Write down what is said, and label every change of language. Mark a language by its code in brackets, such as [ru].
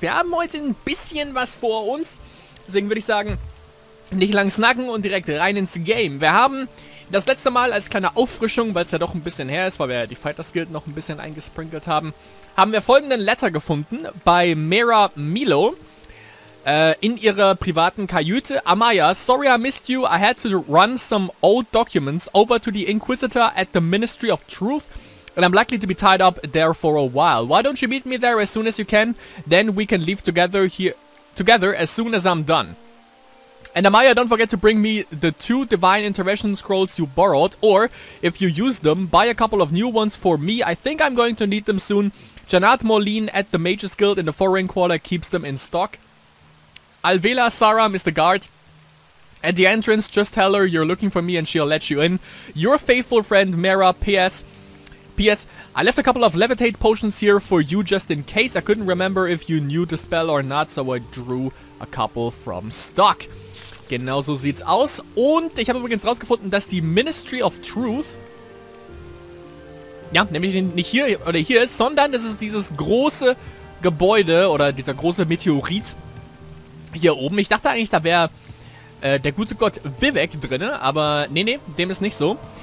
[de] Wir haben heute ein bisschen was vor uns, deswegen würde ich sagen, nicht lang snacken und direkt rein ins Game. Wir haben das letzte Mal als kleine Auffrischung, weil es ja doch ein bisschen her ist, weil wir die Fighters Guild noch ein bisschen eingesprinkelt haben, haben wir folgenden Letter gefunden bei Mera Milo. In ihrer privaten Kajüte. [en] Amaya, sorry I missed you. I had to run some old documents over to the Inquisitor at the Ministry of Truth. And I'm likely to be tied up there for a while. Why don't you meet me there as soon as you can? Then we can leave together here together as soon as I'm done. And Amaya, don't forget to bring me the two Divine Intervention Scrolls you borrowed. Or, if you use them, buy a couple of new ones for me. I think I'm going to need them soon. Janat Moline at the Mage's Guild in the Foreign Quarter keeps them in stock. Alvela Saram is the guard at the entrance. Just tell her you're looking for me and she'll let you in. Your faithful friend Mera. P.S. I left a couple of levitate potions here for you just in case. I couldn't remember if you knew the spell or not, so I drew a couple from stock. [de] Genau so sieht's aus. Und ich habe übrigens rausgefunden, dass die Ministry of Truth, ja, nämlich nicht hier oder hier ist, sondern es ist dieses große Gebäude oder dieser große Meteorit hier oben. Ich dachte eigentlich, da wäre der gute Gott Vivek drin, aber nee, dem ist nicht so.